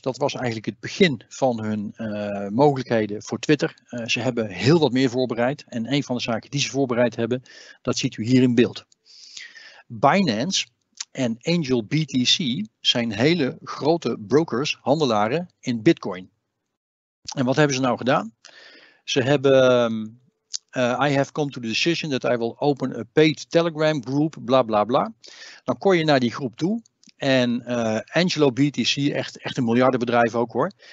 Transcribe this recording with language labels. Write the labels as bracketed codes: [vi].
[nl] Dat was eigenlijk het begin van hun mogelijkheden voor Twitter. Ze hebben heel wat meer voorbereid. En een van de zaken die ze voorbereid hebben, dat ziet u hier in beeld. Binance en Angel BTC zijn hele grote brokers, handelaren in Bitcoin. En wat hebben ze nou gedaan? Ze hebben [en] I have come to the decision that I will open a paid Telegram group, bla bla bla. [nl] Dan kon je naar die groep toe. En Angelo BTC, echt een miljardenbedrijf ook hoor.